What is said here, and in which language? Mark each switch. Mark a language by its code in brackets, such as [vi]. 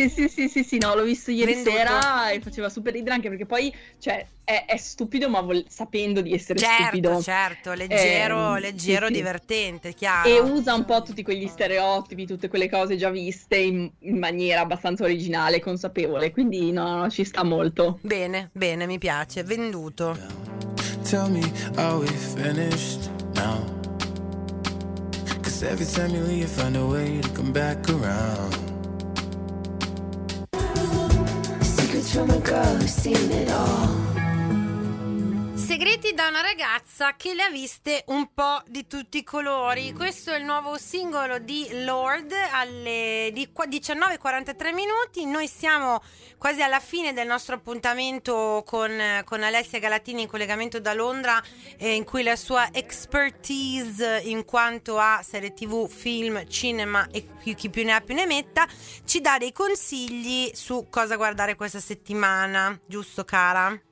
[it] Sì, sì, sì, sì, sì, no, l'ho visto ieri venduto. Sera e faceva super ridere, anche perché poi, cioè, è stupido ma sapendo di essere, certo, stupido. Certo, leggero, leggero, sì, sì. Divertente, chiaro. E usa un po' tutti quegli stereotipi, tutte quelle cose già viste in maniera abbastanza originale, consapevole, quindi no, no, ci sta molto. Bene, bene, mi piace, venduto. [en] Tell me, are we finished now? Cause every time you leave, find a way to come back around. Secrets from a girl who's seen it all. [it] Segreti da una ragazza che le ha viste un po' di tutti i colori. Questo è il nuovo singolo di Lorde alle 19:43 minuti. Noi siamo quasi alla fine del nostro appuntamento con Alessia Galatini in collegamento da Londra, in cui la sua expertise in quanto a serie TV, film, cinema e chi più ne ha più ne metta ci dà dei consigli su cosa guardare questa settimana, giusto cara?